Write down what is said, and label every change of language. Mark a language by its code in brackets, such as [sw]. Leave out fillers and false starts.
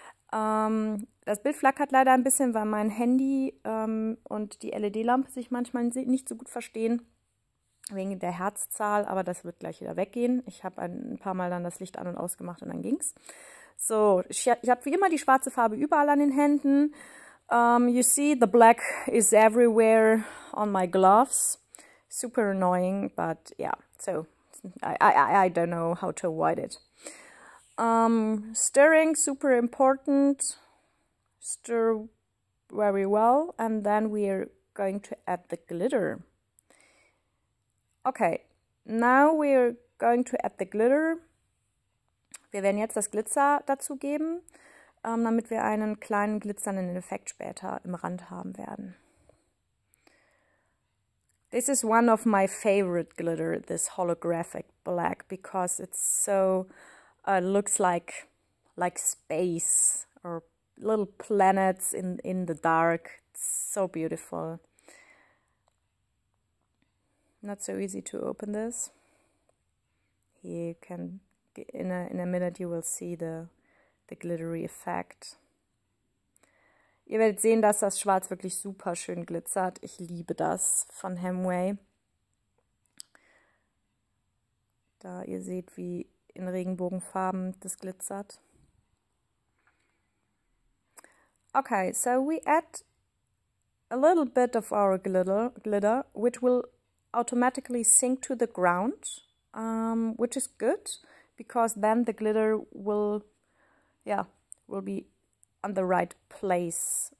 [de] Das Bild flackert leider ein bisschen, weil mein Handy und die LED-Lampe sich manchmal nicht so gut verstehen, wegen der Herzzahl, aber das wird gleich wieder weggehen. Ich habe ein paar Mal dann das Licht an- und ausgemacht und dann ging's. So, ich habe wie immer die schwarze Farbe überall an den Händen. [en] You see, the black is everywhere on my gloves. Super annoying, but yeah. So, I don't know how to avoid it. Stirring, super important. stir very well, and then we are going to add the glitter. Okay, now we are going to add the glitter. [de] Wir werden jetzt das Glitzer dazu geben, damit wir einen kleinen glitzernden Effekt später im Rand haben werden. [en] This is one of my favorite glitter, this holographic black, because it's so, looks like space or little planets in the dark. It's so beautiful. Not so easy to open this. You can, in a minute you will see the glittery effect. [de] Ihr werdet sehen, dass das Schwarz wirklich super schön glitzert. Ich liebe das von Hemway. Da ihr seht, wie in Regenbogenfarben das glitzert. [en] Okay, so we add a little bit of our glitter, which will automatically sink to the ground, which is good, because then the glitter will be on the right place.